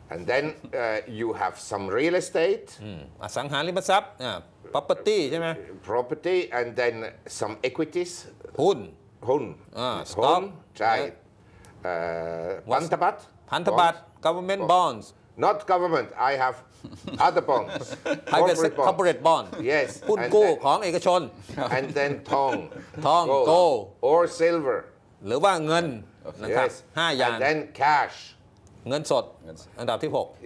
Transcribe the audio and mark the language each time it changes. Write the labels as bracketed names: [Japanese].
[English] And then you have some real estate [Thai] อสังหาริมทรัพย์ property ใช่ไหม [English] property and then some equities [Thai] หุ้น หุ้น [English] stock [Thai] ใช่ [English] พันธบัตร government bonds not government I have other bonds corporate bond yes [Thai] หุ้นกู้ของเอกชน [English] and then ทอง gold or silver [Thai] หรือว่าเงินนะครับ5อย่าง [English] and then cash [Thai] เงินสดอันดับที่6